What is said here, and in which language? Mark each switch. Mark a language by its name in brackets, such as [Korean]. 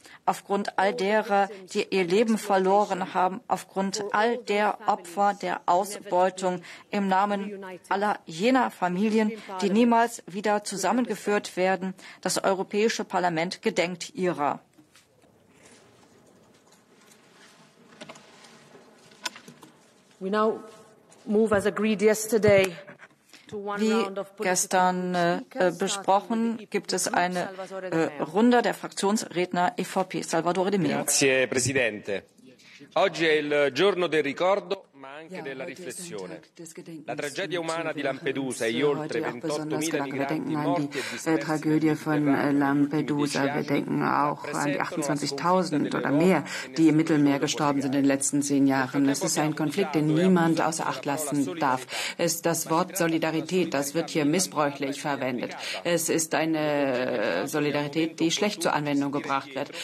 [German] Aufgrund all derer, die ihr Leben verloren haben, aufgrund all der Opfer der Ausbeutung im Namen aller jener Familien, die niemals wieder zusammengeführt werden, das Europäische Parlament gedenkt ihrer. [English] We now move as agreed yesterday. [German] Wie gestern besprochen, gibt es eine Runde der Fraktionsredner EVP. Salvatore De Meo. [Italian] Grazie, Presidente. Oggi è il giorno del ricordo, ma anche della riflessione. La tragedia umana di Lampedusa e gli oltre 28.000 migranti morti e dispersi. La tragedia di Lampedusa, [German] wir denken auch an die 28.000 oder mehr, die im Mittelmeer gestorben sind in den letzten 10 Jahren. Es ist ein Konflikt, den niemand außer Acht lassen darf. Ist das Wort Solidarität, das wird hier missbräuchlich verwendet. Es ist eine Solidarität, die schlecht zur Anwendung gebracht wird.